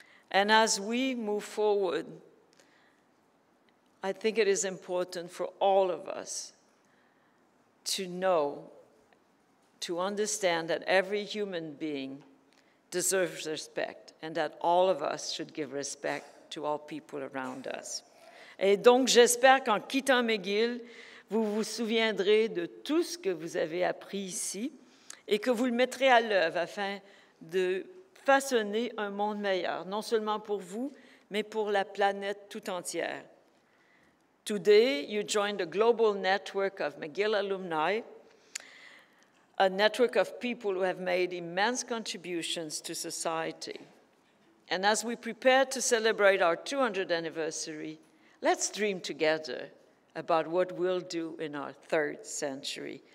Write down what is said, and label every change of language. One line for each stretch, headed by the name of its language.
English: And as we move forward, I think it is important for all of us to know, to understand that every human being deserves respect and that all of us should give respect to all people around us.
French: Et donc, j'espère qu'en quittant McGill, vous vous souviendrez de tout ce que vous avez appris ici et que vous le mettrez à l'œuvre afin de façonner un monde meilleur, non seulement pour vous, mais pour la planète tout entière.
English: Today, you join the global network of McGill alumni, a network of people who have made immense contributions to society. And as we prepare to celebrate our 200th anniversary, let's dream together about what we'll do in our third century.